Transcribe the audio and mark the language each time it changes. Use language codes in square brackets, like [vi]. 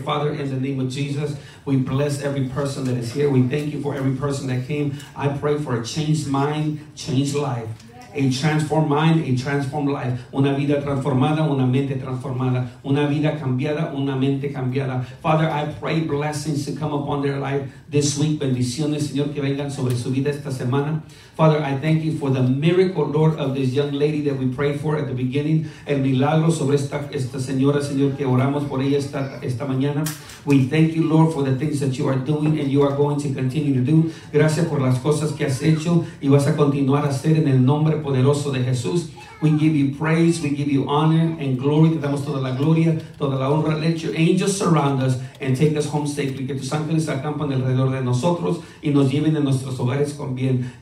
[en] Father, in the name of Jesus, we bless every person that is here. We thank you for every person that came. I pray for a changed mind, changed life. A transformed mind, a transformed life. [es] Una vida transformada, una mente transformada. Una vida cambiada, una mente cambiada. [en] Father, I pray blessings to come upon their life this week. [es] Bendiciones, Señor, que vengan sobre su vida esta semana. [en] Father, I thank you for the miracle, Lord, of this young lady that we prayed for at the beginning. [es] El milagro sobre esta señora, Señor, que oramos por ella esta mañana. [en] We thank you, Lord, for the things that you are doing and you are going to continue to do. [es] Gracias por las cosas que has hecho y vas a continuar a hacer en el nombre poderoso de Jesús. [en] We give you praise, we give you honor and glory. [es] Te damos toda la gloria, toda la honra. [en] Let your angels surround us and take us home safely. [es] Que tus ángeles acampan alrededor de nosotros y nos lleven a nuestros hogares con bien.